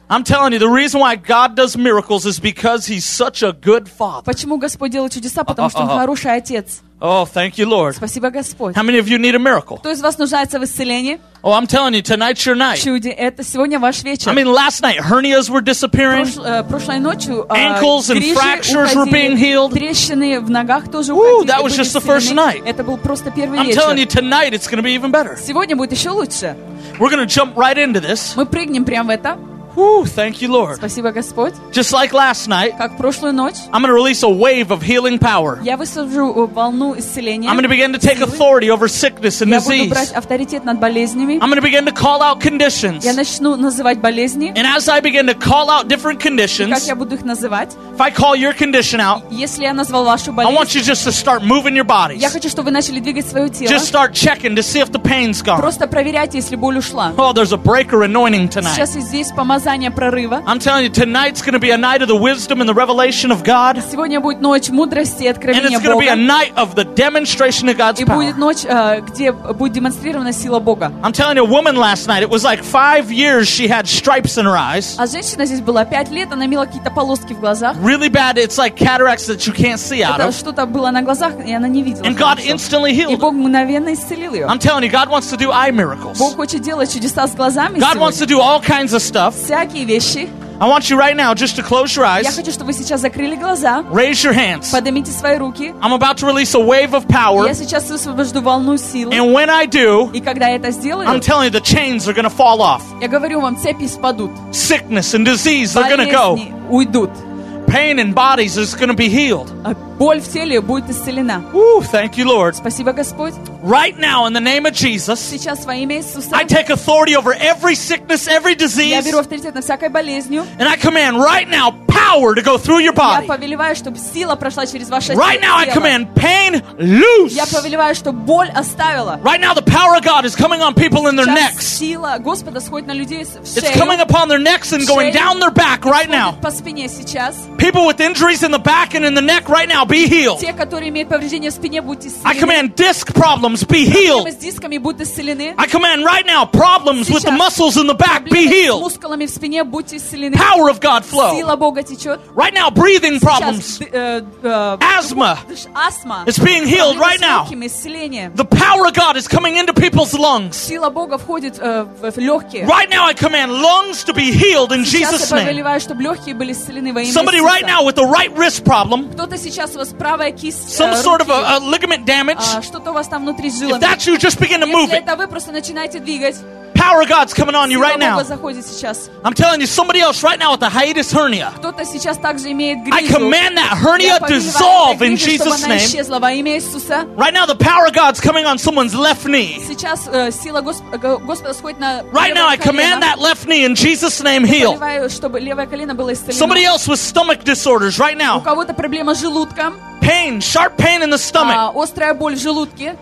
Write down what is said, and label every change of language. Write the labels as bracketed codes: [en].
[en] I'm telling you, the reason why God does miracles is because He's such a good Father. [ru] Почему Господь делает чудеса? Потому что Он хороший отец. [en] Oh, thank you, Lord. [ru] Спасибо, Господь. [en] How many of you need a miracle? [ru] Кто из вас нуждается в исцелении? [en] Oh, I'm telling you, tonight's your night. [ru] Чуди, это сегодня ваш вечер. [en] I mean, last night hernias were disappearing. [ru] Прошлой ночью [en] ankles and fractures were being healed. [ru] Трещины в ногах тоже уходили. [en] Ooh, that was just the first night. [ru] Это был просто первый вечер. [en] I'm telling you, tonight it's going to be even better. [ru] Сегодня будет еще лучше. [en] We're going to jump right into this. [ru] Мы прыгнем прямо в это. [en] Whew, thank you, Lord. [ru] Спасибо, Господь. [en] Just like last night, [ru] как прошлую ночь, [en] I'm going to release a wave of healing power. [ru] Я высвобожу волну исцеления. [en] I'm going to begin to take authority over sickness and disease. [ru] Я буду брать авторитет над болезнями. [en] I'm going to begin to call out conditions. [ru] Я начну называть болезни. [en] And as I begin to call out different conditions, [ru] как я буду их называть, [en] if I call your condition out, [ru] если я назвал вашу болезнь, [en] I want you just to start moving your bodies. [ru] Я хочу, чтобы вы начали двигать свое тело. [en] Just start checking to see if the pain's gone. [ru] Просто проверяйте, если боль ушла. [en] Oh, there's a breaker anointing tonight. [ru] Сейчас я здесь помазание. [en] I'm telling you, tonight's going to be a night of the wisdom and the revelation of God. [ru] Сегодня будет ночь мудрости и откровения Бога. [en] And it's going to be a night of the demonstration of God's power. [ru] И будет ночь, где будет демонстрирована сила Бога. [en] I'm telling you, a woman last night, it was like 5 years she had stripes in her eyes. [ru] А женщина здесь была 5 лет, она имела какие-то полоски в глазах. [en] Really bad, it's like cataracts that you can't see out of. [ru] Это что-то было на глазах, и она не видела. [en] And God instantly healed. [ru] И Бог мгновенно исцелил ее. [en] I'm telling you, God wants to do eye miracles. [ru] Бог хочет делать чудеса с глазами. [en] God wants to do all kinds of stuff. [ru] Всякие вещи. [en] I want you right now just to close your eyes. [ru] Я хочу, чтобы вы сейчас закрыли глаза. [en] Raise your hands. [ru] Поднимите свои руки. [en] I'm about to release a wave of power. [ru] Я сейчас высвобожу волну силы. [en] And when I do, [ru] и когда я это сделаю, [en] I'm telling you, the chains are going to fall off. [ru] Я говорю вам, цепи спадут. [en] Sickness and disease, they're going to go. [ru] Болезни уйдут. [en] Pain in bodies is going to be healed. [ru] Боль в теле будет исцелена. [en] Ooh, thank you, Lord. [ru] Спасибо, Господь. [en] Right now, in the name of Jesus, [ru] сейчас во имя Иисуса, [en] I take authority over every sickness, every disease. [ru] Я беру авторитет на всякой болезнью. [en] And I command right now power to go through your body. [ru] Я повелеваю, чтобы сила прошла через ваше тело. [en] Right now, I command pain loose. [ru] Я повелеваю, чтобы боль оставила. [en] Right now, the power of God is coming on people in their [ru] сейчас [en] necks. [ru] Сила Господа сходит на людей в шею. [en] It's coming upon their necks and going down their back right now. [ru] По спине сейчас. [en] People with injuries in the back and in the neck right now, be healed. [ru] Те, которые имеют повреждения в спине, будьте исцелены. [en] I command disc problems, be healed. [ru] Проблемы с дисками, будьте исцелены. [en] I command right now problems [ru] сейчас [en] with the muscles in the back, be healed. [ru] Проблемы с мускулами в спине, будьте исцелены. [en] Power of God flow. [ru] Сила Бога течет. течет. [en] Right now, breathing problems. [ru] Астма. Астма. [en] It's being healed right now. The power of God is coming into people's lungs. [ru] Сила Бога входит в легкие. [en] Right now, I command lungs to be healed in Jesus' name. [ru] Сейчас я повелеваю, чтобы легкие были исцелены во имя Иисуса. [en] Somebody right now with a right wrist problem. [ru] Кто-то сейчас у вас правая кисть. [en] Some sort of a ligament damage. [ru] Что-то у вас там внутри зуба. [en] If that's you, just begin to move it. [ru] Если это вы, просто начинайте двигать. [en] Power of God's coming on you right now. I'm telling you, somebody else right now with a hiatus hernia. [ru] Кто-то сейчас также имеет грыжу. [en] I command that hernia dissolve in Jesus' name. [ru] Исчезла во имя Иисуса. [en] Right now, the power of God's coming on someone's left knee. [ru] Сейчас сила Господа сходит на. [en] Right now, I command that left knee in Jesus' name heal. [ru] Чтобы левое колено было исцелено. [en] Somebody else with stomach disorders right now. [ru] У кого-то проблема с желудком. [en] Pain, sharp pain in the stomach. [ru] Острая боль в желудке.